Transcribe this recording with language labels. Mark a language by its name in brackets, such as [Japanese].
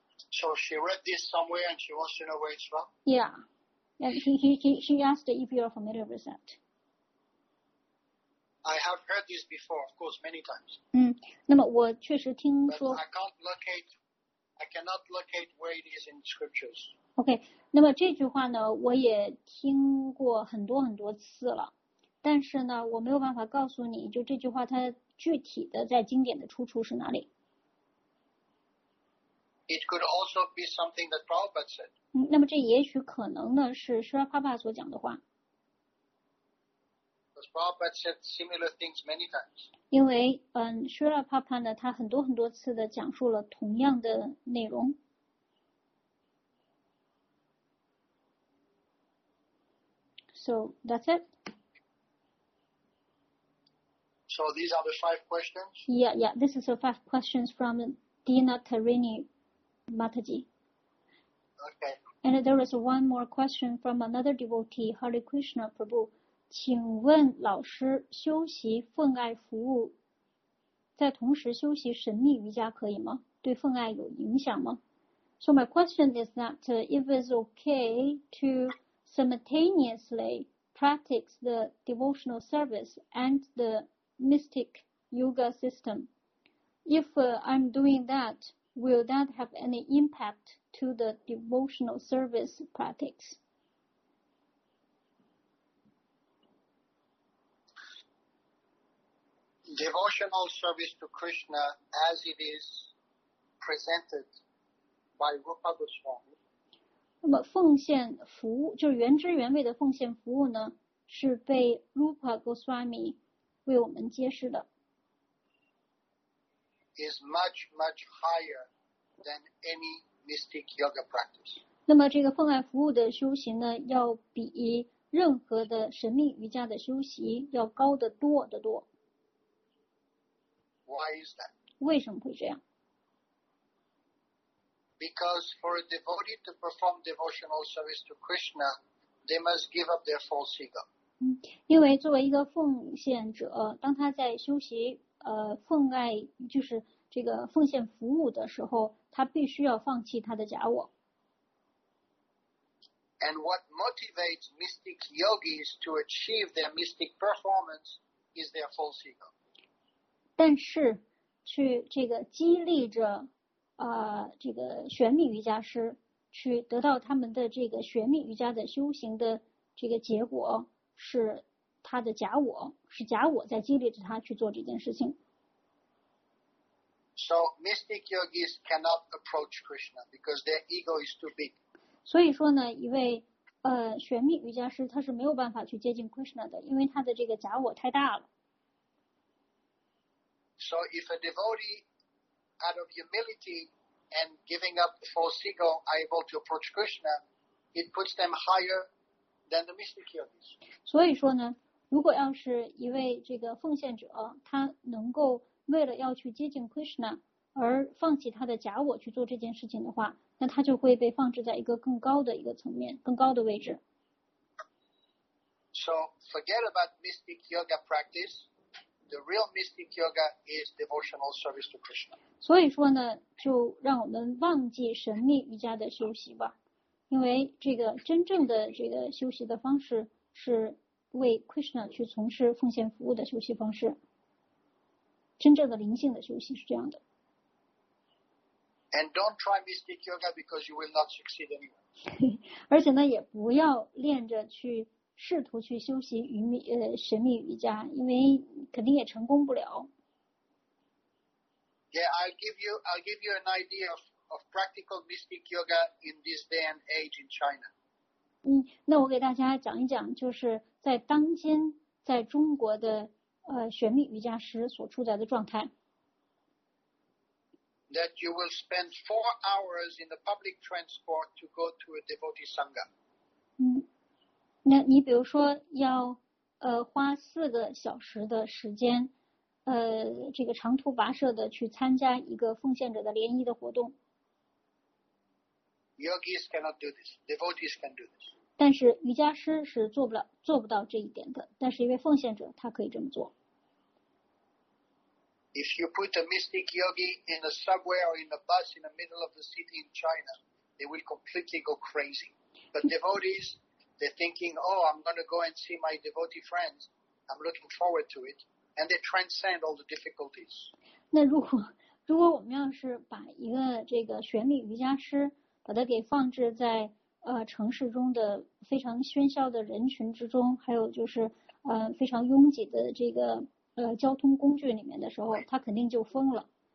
[English] So she read this somewhere and she wants to know where it's from? Yeah. And he asked if you are familiar with that. I have heard this before, of course, many times. [Chinese] 那么我确实听说。 [English] But I cannot locate where it is in scriptures. [Chinese] Okay, 那么这句话呢，我也听过很多很多次了，但是呢，我没有办法告诉你，就这句话它具体的在经典的出处是哪里。 [English] It could also be something that Prabhupada said. [Chinese] 那么这也许可能呢是 Srila Prabhupada 所讲的话。 [English] Because Prabhupada said similar things many times. [Chinese] 因为Srila Prabhupada 呢，他很多很多次的讲述了同样的内容。 [English] So that's it. So these are the five questions? Yeah, this is the five questions from Dina Tarini. Mataji. Okay. And there is one more question from another devotee, Hare Krishna Prabhu. [Chinese] 请问老师，修习奉爱服务，在同时修习神秘瑜伽可以吗？对奉爱有影响吗？ [English] So my question is that if it's okay to simultaneously practice the devotional service and the mystic yoga system. If I'm doing that, will that have any impact to the devotional service practice? Devotional service to Krishna as it is presented by Rupa Goswami. [Chinese] 那么奉献服务就是原汁原味的奉献服务呢是被 Rupa Goswami 为我们揭示的。 [English] Is much, much higher than any mystic yoga practice. [Chinese] 那么这个奉献服务的修行呢要比任何的神秘瑜伽的修习要高得多得多。 [English] Why is that? [Chinese] 为什么会这样？ [English] Because for a devotee to perform devotional service to Krishna, they must give up their false ego. [Chinese] 因为作为一个奉献者，当他在修习奉爱就是这个奉献服务的时候，他必须要放弃他的假我。 [English] And what motivates mystic yogis to achieve their mystic performance is their false ego. [Chinese] 但是，去这个激励着。这个玄秘瑜伽师去得到他们的这个玄秘瑜伽的修行的这个结果是他的假我是假我在激励着他去做这件事情。 [English] So mystic yogis cannot approach Krishna because their ego is too big. [Chinese] 所以说呢一位玄秘瑜伽师他是没有办法去接近 Krishna 的因为他的这个假我太大了。 [English] So if a devoteeOut of humility and giving up the false ego, are able to approach Krishna, it puts them higher than the mystic yogis. [Chinese] 所以说呢，如果要是一位这个奉献者，他能够为了要去接近 Krishna 而放弃他的假我去做这件事情的话，那他就会被放置在一个更高的一个层面，更高的位置。 [English] So forget about mystic yoga practice. The real mystic yoga is devotional service to Krishna. [Chinese] 所以说呢，就让我们忘记神秘瑜伽的修习吧，因为这个真正的这个修习的方式是为 Krishna 去从事奉献服务的修习方式。真正的灵性的修习是这样的。 [English] And don't try mystic yoga because you will not succeed anyway. [Chinese] 而且呢，也不要练着去。试图去修习神秘瑜伽，因为肯定也成功不了。 [English] Yeah, I'll give you an idea of practical mystic yoga in this day and age in China. [Chinese] 那我给大家讲一讲，就是在当今在中国的神秘瑜伽师所处在的状态。 [English] That you will spend 4 hours in the public transport to go to a devotee sangha. [Chinese] 那你比如说要花4个小时的时间这个长途跋涉的去参加一个奉献者的联谊的活动。 [English] Yogis cannot do this. Devotees can do this. [Chinese] 但是瑜伽师是做不到这一点的但是一位奉献者他可以这么做。 [English] If you put a mystic yogi in a subway or in a bus in the middle of the city in China, they will completely go crazy. But devotees, They're thinking, oh, I'm going to go and see my devotee friends. I'm looking forward to it. And they transcend all the difficulties. [Chinese] 那如果我们要是把一个这个玄秘瑜伽师把它给放置在城市中的非常喧嚣的人群之中还有就是非常拥挤的这个交通工具里面的时候他肯定就疯了。